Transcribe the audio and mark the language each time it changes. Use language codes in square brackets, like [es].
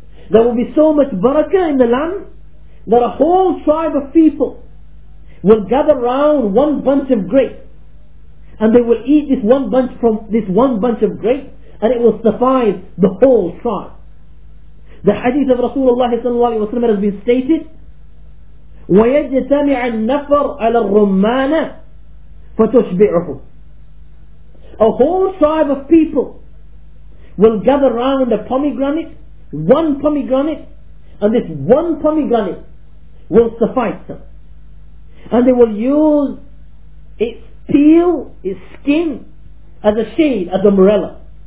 [en] There will be so much barakah in the land that a whole tribe of people will gather round one bunch of grapes, and they will eat this one bunch from this one bunch of grapes, and it will suffice the whole tribe. The hadith of Rasulullah sallallahu alaihi wasallam has been stated [ar] ويجتمع النفر على الرمانة فتشبعه. [en] A whole tribe of people will gather round a pomegranate, one pomegranate, and this one pomegranate will suffice them. And they will use its peel, its skin, as a shade, as umbrella.